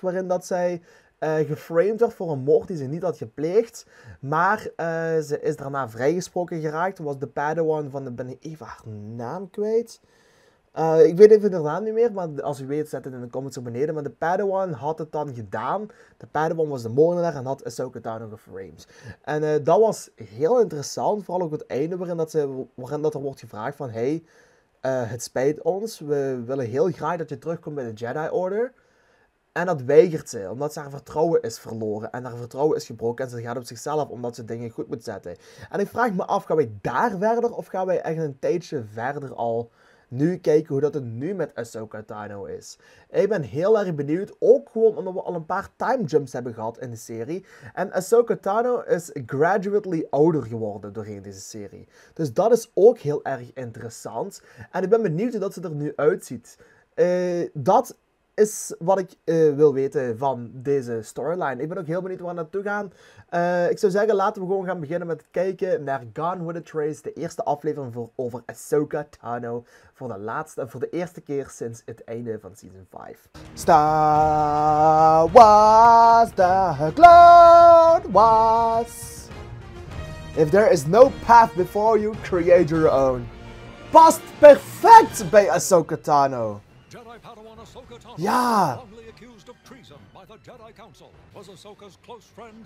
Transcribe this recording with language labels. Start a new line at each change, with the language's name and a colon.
Dutch: Waarin dat zij geframed werd voor een moord die ze niet had gepleegd. Maar ze is daarna vrijgesproken geraakt. Was de Padawan van de... Ben ik even haar naam kwijt? Ik weet even haar naam niet meer. Maar als u weet, zet het in de comments op beneden. Maar de Padawan had het dan gedaan. De Padawan was de moordenaar en had Ahsoka Tano geframed. En dat was heel interessant. Vooral ook het einde waarin dat er wordt gevraagd van... Hey, het spijt ons. We willen heel graag dat je terugkomt bij de Jedi Order. En dat weigert ze, omdat ze haar vertrouwen is verloren. En haar vertrouwen is gebroken en ze gaat op zichzelf, omdat ze dingen goed moet zetten. En ik vraag me af, gaan wij daar verder of gaan wij echt een tijdje verder al nu kijken hoe dat het nu met Ahsoka Tano is? Ik ben heel erg benieuwd, ook gewoon omdat we al een paar time jumps hebben gehad in de serie. En Ahsoka Tano is gradually ouder geworden doorheen deze serie. Dus dat is ook heel erg interessant. En ik ben benieuwd hoe dat ze er nu uitziet. Dat is wat ik wil weten van deze storyline. Ik ben ook heel benieuwd waar we naartoe gaan. Ik zou zeggen, laten we gewoon gaan beginnen met kijken naar Gone with a Trace. De eerste aflevering over Ahsoka Tano. Voor de eerste keer sinds het einde van Season 5.
English: Star Wars, the Clone Wars. If there is no path before you, create your own.
Dutch: Past perfect bij Ahsoka Tano.
English: Jedi Padawan Ahsoka Tano,
Dutch: ja,
English: wrongly accused of treason by the Jedi Council, was Ahsoka's close friend.